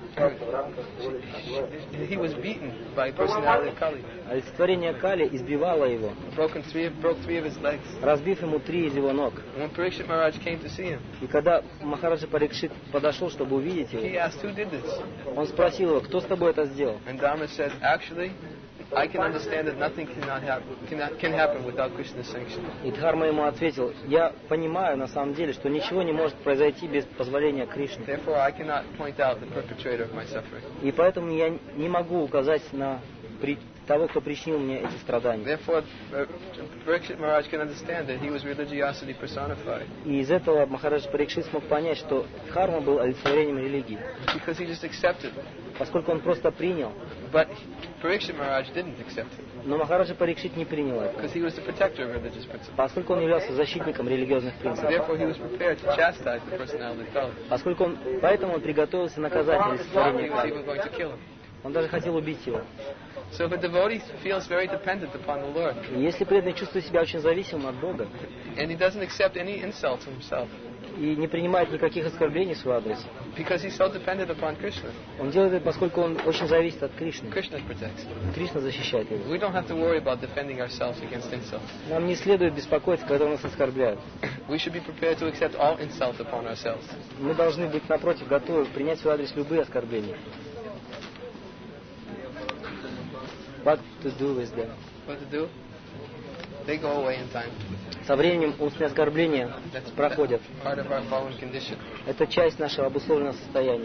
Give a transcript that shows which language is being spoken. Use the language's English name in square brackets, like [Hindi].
[English] He was beaten by personality Kali. [Russian] Олицетворение Кали избивало его. [English] Broke three of his legs. [Russian] Разбив ему три из его ног. [English] When Parikshit Maharaj came to see him. [Russian] И когда Махараджа Парикшит подошел, чтобы увидеть его, [English] he asked, who did this? [Russian] Он спросил его, кто с тобой это сделал. [English] And Dharma said, actually, I can understand that nothing can happen without Krishna's sanction. [Russian] И Дхарма ему ответил: я понимаю на самом деле, что ничего не может произойти без позволения Кришны. [English] Therefore, I cannot point out the perpetrator of my suffering. [Russian] И поэтому я не могу указать на того, кто причинил мне эти страдания. [English] Therefore, Parikshit Maharaj can understand that he was religiosity personified. [Russian] И из этого Махарадж Парикшит смог понять, что Дхарма был олицетворением религии. [English] Because he just accepted. [Russian] Поскольку он просто принял. [English] But Parikshit Maharaj didn't accept it. [Russian] Но Махараджа Парикшит не принял это. [English] Because he was the protector of religious principles. [Russian] Поскольку он являлся защитником религиозных принципов. [English] Therefore, he was prepared to chastise the personality cult. [Russian] Поскольку он, поэтому он приготовился наказать олицетворение культа. Он даже хотел убить его. [English] So if a devotee feels very dependent upon the Lord. [Russian] Если преданный чувствует себя очень зависимым от Бога. [English] And he doesn't accept any insults from himself. [Russian] И не принимает никаких оскорблений в свой адрес. [English] Because he's so dependent upon Krishna. [Russian] Он делает это, поскольку он очень зависит от Кришны. [English] Krishna protects. [Russian] Кришна защищает его. [English] We don't have to worry about defending ourselves against insults. [Russian] Нам не следует беспокоиться, когда нас оскорбляют. [English] We should be prepared to accept all insults upon ourselves. [Russian] Мы должны быть напротив готовы принять в свой адрес любые оскорбления. [English] What to do with them? What to do? They go away in time. [Russian] Со временем устные оскорбления проходят. [English] Part of our fallen condition. [Russian] Это часть нашего обусловленного состояния.